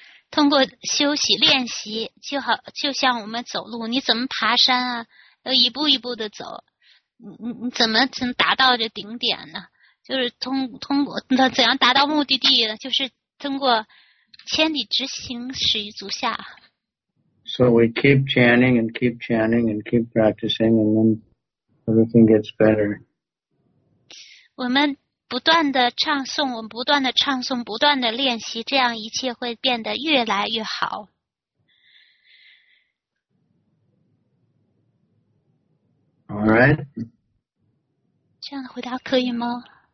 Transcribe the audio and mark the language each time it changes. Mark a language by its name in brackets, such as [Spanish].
[Chinese] 通过休息练习，就好，就像我们走路，你怎么爬山啊？要一步一步的走。你怎么达到这顶点呢？就是通过那怎样达到目的地呢？就是通过千里之行，始于足下。 [English] So we keep chanting and keep chanting and keep practicing, and then everything gets better. [Chinese] 我们不断的唱诵，我们不断的唱诵，不断的练习，这样一切会变得越来越好。 [English] All right. [Chinese] 这样的回答可以吗？